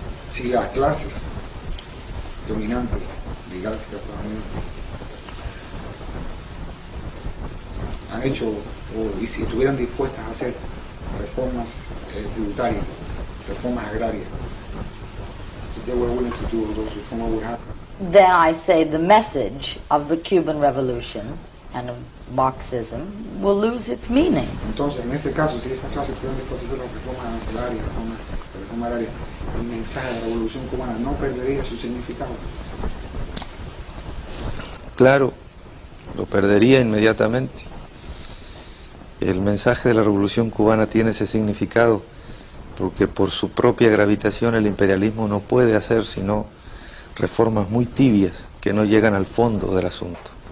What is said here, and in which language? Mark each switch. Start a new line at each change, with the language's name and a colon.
Spanish: Si las clases dominantes digan que Estados Unidos han hecho, y si estuvieran dispuestas a hacer reformas tributarias, reformas agrarias.
English: Then I say the message of the Cuban Revolution and of Marxism will lose its meaning.
Spanish: Entonces, en ese caso, si esa clase tuviera dispuesta a hacer las reformas arancelarias, reformas agrarias, el mensaje de la Revolución Cubana no perdería su significado. Claro, lo perdería inmediatamente. El mensaje de la Revolución Cubana tiene ese significado porque por su propia gravitación el imperialismo no puede hacer sino reformas muy tibias que no llegan al fondo del asunto.